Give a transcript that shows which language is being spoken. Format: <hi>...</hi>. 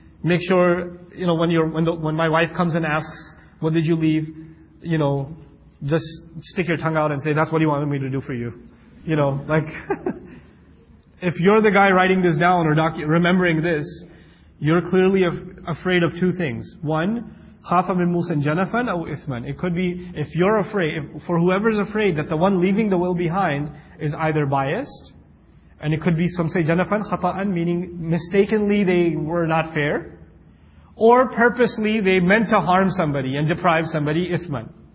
<en>Make sure, you know, when my wife comes and asks, what did you leave? You know, just stick your tongue out and say, that's what he wanted me to do for you. You know, like, if you're the guy writing this down or remembering this, you're clearly afraid of two things. One,</en> <ar>خَافَ مِن مُوسَنْ جَنَفًا أَوْ إِثْمًا.</ar> <en>It could be, if you're afraid, for whoever's afraid that the one leaving the will behind is either biased, and it could be some say</en> <ar>جَنَفًا خَطَأً,</ar> <en>meaning mistakenly they were not fair, or purposely they meant to harm somebody and deprive somebody, إِثْمًا.</en>